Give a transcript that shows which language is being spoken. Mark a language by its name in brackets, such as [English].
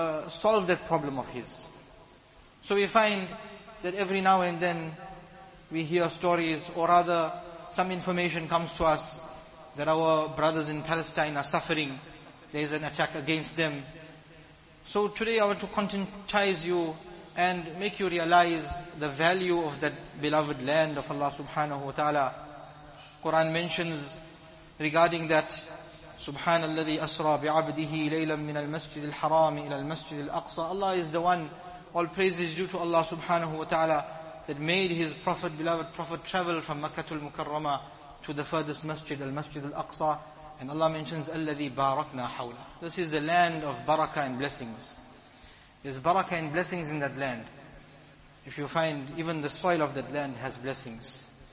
[English] solve that problem of his. So we find that every now and then we hear stories, or rather some information comes to us that our brothers in Palestine are suffering. There is an attack against them. So today I want to conscientize you and make you realize the value of that beloved land of Allah subhanahu wa ta'ala. Quran mentions regarding that, [Arabic] سُبْحَانَ الَّذِي أَسْرَى بِعَبْدِهِ لَيْلًا مِنَ الْمَسْجِدِ الْحَرَامِ إِلَى الْمَسْجِدِ الْأَقْصَى. [English] Allah is the one, all praises due to Allah subhanahu wa ta'ala, that made his prophet, beloved prophet, travel from Makkah al-Mukarramah to the furthest masjid, al-Masjid al-Aqsa. And Allah mentions, [Arabic] الَّذِي بَارَكْنَا حَوْلًا. [English] This is the land of barakah and blessings. There's barakah and blessings in that land. If you find, even the soil of that land has blessings.